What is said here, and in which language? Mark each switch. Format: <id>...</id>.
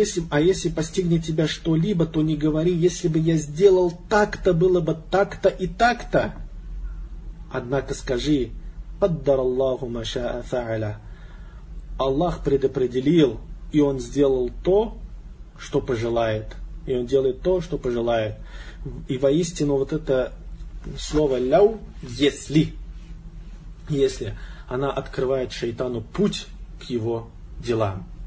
<ru>А если постигнет тебя что-либо, то не говори: если бы я сделал так-то, было бы так-то и так-то. Однако скажи:</ru> <ar>قَدَّرَ اللَّهُ مَا شَاءَ فَعَلَ.</ar> <ru>Аллах предопределил, и Он сделал то, что пожелает. И Он делает то, что пожелает. И воистину вот это слово «ляу» – «если» – она открывает шайтану путь к его делам.</ru>